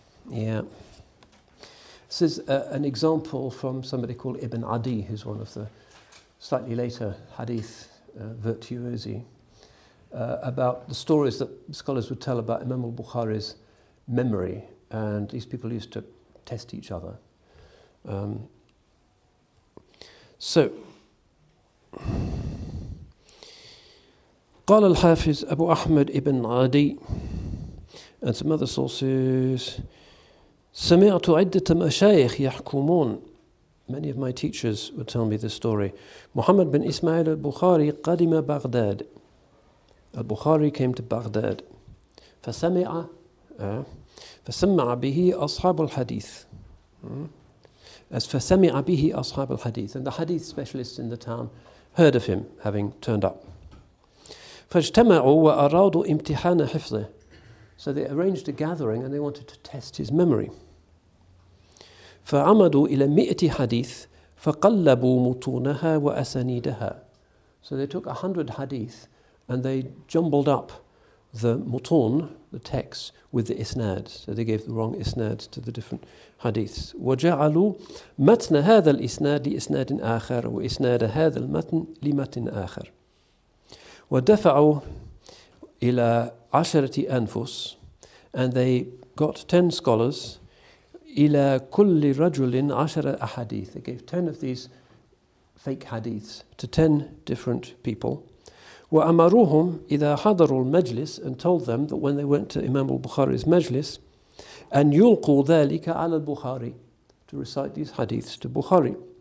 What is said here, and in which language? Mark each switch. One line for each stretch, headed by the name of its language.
English: Yeah. This is an example from somebody called Ibn Adi, who's one of the slightly later hadith virtuosi, about the stories that scholars would tell about Imam al-Bukhari's memory. And these people used to test each other.
Arabic: So, قال الحافظ أبو أحمد ابن عدي
English: and some other sources.
Arabic: سمعت عدة مشايخ يحكمون.
English: Many of my teachers would tell me this story. Muhammad bin Ismail al-Bukhari
Arabic: قدم بغداد.
English: Al-Bukhari came to Baghdad.
Arabic: فسمع به أصحاب الحديث.
English: As
Arabic: فَسَمِعَ بِهِ أَصْحَابَ الْحَدِيثِ,
English: and the hadith specialists in the town heard of him having turned up.
Arabic: فَاجْتَمَعُوا وَأَرَادُوا إِمْتِحَانَ حِفْظِهِ,
English: so they arranged a gathering and they wanted to test his memory.
Arabic: فَعَمَدُوا إِلَى مِئَةِ حَدِيثٍ فَقَلَّبُوا مُتُونَهَا وَأَسَانِيدَهَا,
English: so they took 100 hadith and they jumbled up the mutun, the text, with the isnad. So they gave the wrong isnad to the different hadiths.
Arabic: وَجَعَلُوا مَتْنَ هَذَا الْإِسْنَادِ لِإِسْنَادٍ آخَرٍ وَإِسْنَادَ هَذَا الْمَتْنِ لِمَتْنٍ آخَرٍ وَدَفَعُوا إِلَى عَشَرَةِ أَنْفُسٍ,
English: and they got 10 scholars.
Arabic: إِلَى كُلِّ رَجُلٍ عَشَرَ أَحَدِيثٍ,
English: they gave 10 of these fake hadiths to 10 different people.
Arabic: وَأَمَرُوهُمْ إِذَا حَضَرُوا الْمَجْلِسِ,
English: and told them that when they went to Imam al-Bukhari's majlis,
Arabic: أن يلقوا ذلك على البخاري,
English: to recite these hadiths to Bukhari.